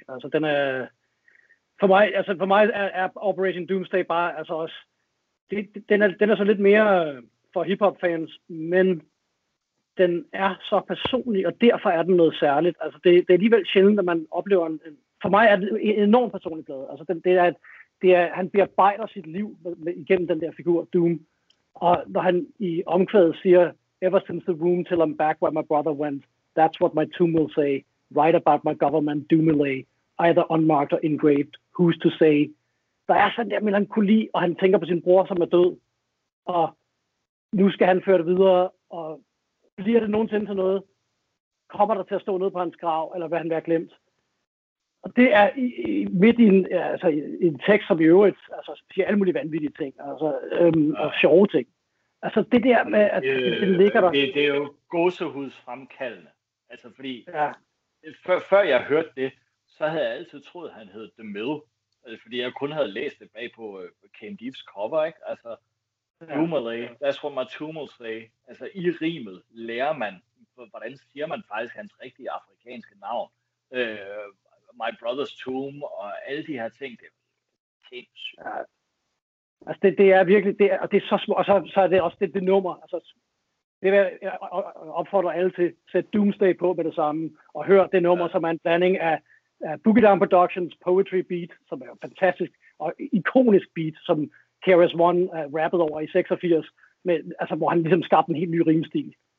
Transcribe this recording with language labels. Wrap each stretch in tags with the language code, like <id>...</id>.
<da>Altså den er for mig er Operation Doomsday bare altså også den er så lidt mere for hiphop fans, men den er så personlig, og derfor er den noget særligt. Altså det er alligevel sjældent, at man oplever en, for mig er det en enorm personlig plade. Altså det er, han bearbejder sit liv igennem den der figur, Doom. Og når han i omkvædet siger,</da> <en>ever since the womb till I'm back where my brother went, that's what my tomb will say, write about my government doomily, either unmarked or engraved, who's to say.</en> <da>Der er sådan der melankoli, og han tænker på sin bror, som er død. Og nu skal han føre det videre, og bliver det nogensinde til noget? Kommer der til at stå noget på hans grav, eller hvad han vil have glemt? Og det er midt i en tekst, som i øvrigt altså, siger alle mulige vanvittige ting, altså, og sjove ting. Altså det der med, at den ligger der... Det er jo gåsehudsfremkaldende. Altså fordi, ja. Før jeg hørte det, så havde jeg altid troet, at han hed The Mill. Altså, fordi jeg kun havde læst det bag på Cam Deep's cover, ikke?</da> <en>Altså, Doomalay, that's what my tumor say.</en> <da>Altså i rimet lærer man, hvordan siger man faktisk hans rigtige afrikanske navn. My Brother's Tomb og alle de her ting, det er sindssygt. Ja. Altså det er virkelig, det er, og det er så små, og så er det også det nummer. Altså, det vil jeg opfordre alle til, at sætte Doomsday på med det samme, og høre det nummer, ja. Som er en blanding af Boogie Down Productions Poetry Beat, som er fantastisk og ikonisk beat, som KRS-One rappede over i 86, med, altså, hvor han ligesom skabte en helt ny rimestil.</da>